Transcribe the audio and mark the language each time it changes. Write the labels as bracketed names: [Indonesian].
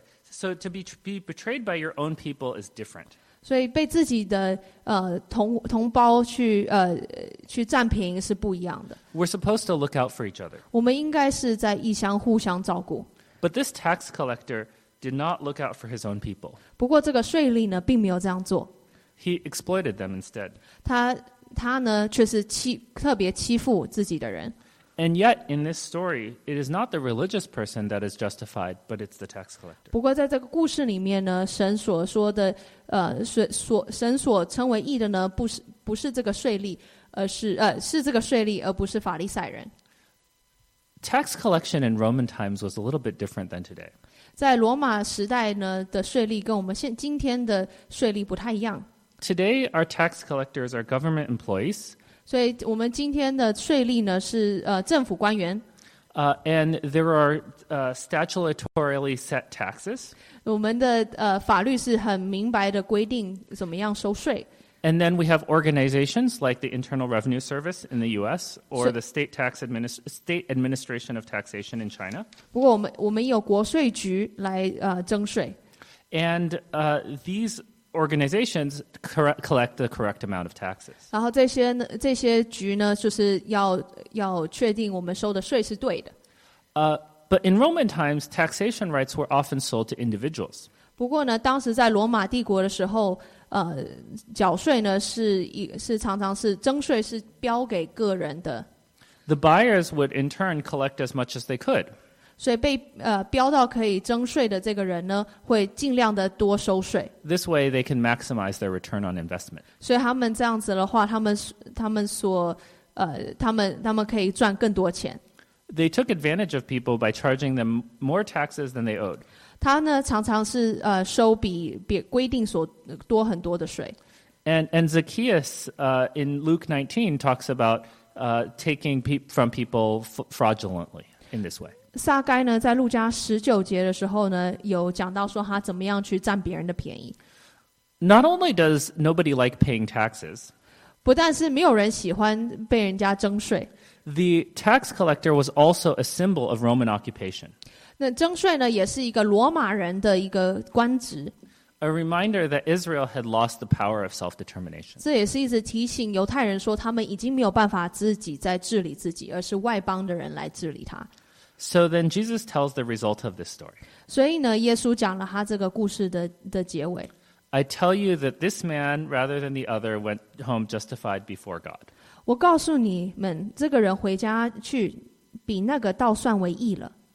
[English] So to be betrayed by your own people is different. [Chinese] 所以被自己的同胞去占便宜是不一样的。 [English] We're supposed to look out for each other. [Chinese] 我们应该是在互相照顾。 [English] But this tax collector did not look out for his own people. [Chinese] 不过这个税吏呢，并没有这样做。 [English] He exploited them instead. [Chinese] 他呢，却是特别欺负自己的人。 [English] And yet, in this story, it is not the religious person that is justified, but it's the tax collector. [Chinese] 不过在这个故事里面呢，神所说的，神所称为义的呢，不是这个税吏，是这个税吏，而不是法利赛人。 [English] Tax collection in Roman times was a little bit different than today. [Chinese] 在罗马时代呢的税吏跟我们今天的税吏不太一样。 [English] Today, our tax collectors are government employees. [Chinese] 所以我们今天的税吏呢是政府官员。 [English] And there are statutorily set taxes. [Chinese] 我们的法律是很明白的规定怎么样收税。 [English] And then we have organizations like the Internal Revenue Service in the U.S. or the State Administration of Taxation in China. [Chinese] 不过我们有国税局来征税。 [English] And these. Organizations collect the correct amount of taxes. [Chinese] 然后这些局呢，就是要确定我们收的税是对的。 [English] But in Roman times, taxation rights were often sold to individuals. [Chinese] 不过呢，当时在罗马帝国的时候，缴税呢是常常是征税是标给个人的。 [English] The buyers would in turn collect as much as they could. [Chinese] 所以被标到可以征税的这个人呢，会尽量的多收税。 [English] This way they can maximize their return on investment. [Chinese] 所以他们这样子的话，他们所他们可以赚更多钱。 [English] They took advantage of people by charging them more taxes than they owed. [Chinese] 他呢常常是收比规定所多很多的税。 [English] And Zacchaeus in Luke 19 talks about taking from people fraudulently in this way. [Chinese] 撒该呢在路加十九节的时候呢有讲到说他怎么样去占别人的便宜。 [English] Not only does nobody like paying taxes, [Chinese] 不但是没有人喜欢被人家征税。 [English] The tax collector was also a symbol of Roman occupation. [Chinese] 那征税呢也是一个罗马人的一个官职。 [English] A reminder that Israel had lost the power of self-determination. [Chinese] 这也是一直提醒犹太人说他们已经没有办法自己在治理自己而是外邦的人来治理他。 [English] So then Jesus tells the result of this story. [Chinese] 所以呢耶稣讲了他这个故事的结尾。 [English] I tell you that this man, rather than the other, went home justified before God. [Chinese] 我告诉你们这个人回家去比那个倒算为义了。